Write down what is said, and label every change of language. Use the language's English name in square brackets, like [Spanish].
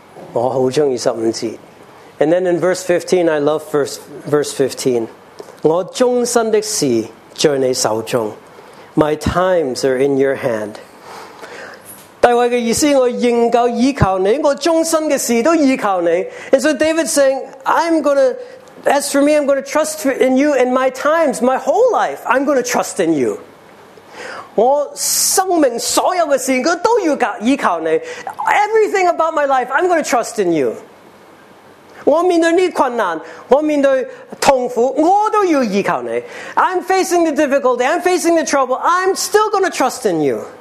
[Chinese] 跟着十五节，我好中意十五节。 [English] And then in verse 15, I love verse 15. [Chinese] 我终身的事在你手中。 [English] My times are in your hand. [Chinese] 大卫的意思，我仍旧依靠你，我终身的事都依靠你。 [English] And so David's saying, as for me, I'm going to trust in you in my times, my whole life, I'm going to trust in you. [Chinese] 我生命所有的事，我都要依靠你。 [English] Everything about my life, I'm going to trust in you. [Chinese] 我面对这困难，我面对痛苦，我都要依靠你。 [English] I'm facing the difficulty, I'm facing the trouble, I'm still going to trust in you.